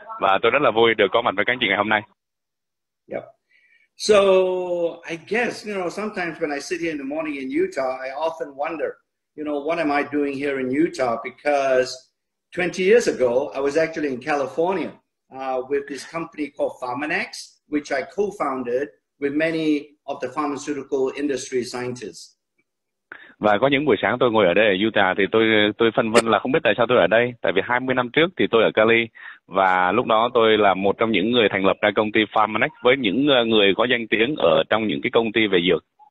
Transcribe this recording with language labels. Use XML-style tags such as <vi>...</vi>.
<vi>Và tôi rất là vui được có mặt với các chị ngày hôm nay.</vi> <en>Yep. So I guess, you know, sometimes when I sit here in the morning in Utah, I often wonder, you know, what am I doing here in Utah? Because 20 years ago, I was actually in California with this company called Pharmanex, which I co-founded with many of the pharmaceutical industry scientists.</en> <vi>Và có những buổi sáng tôi ngồi ở đây ở Utah thì tôi phân vân là không biết tại sao tôi ở đây, tại vì 20 năm trước thì tôi ở Cali và lúc đó tôi là một trong những người thành lập ra công ty Pharmanex với những người có danh tiếng ở trong những cái công ty về dược.</vi>